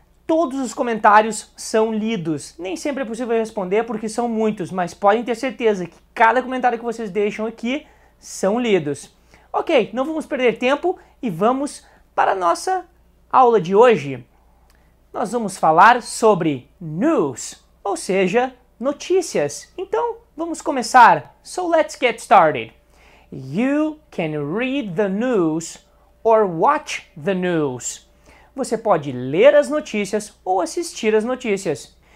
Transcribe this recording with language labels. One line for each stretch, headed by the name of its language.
Portuguese: Todos os comentários são lidos. Nem sempre é possível responder porque são muitos, mas podem ter certeza que cada comentário que vocês deixam aqui são lidos. Ok, não vamos perder tempo e vamos para a nossa aula de hoje. Nós vamos falar sobre news, ou seja, notícias. Então, vamos começar.
English: So, let's get started. You can read the news or watch the news.
Portuguese: Você pode ler as notícias ou assistir as notícias.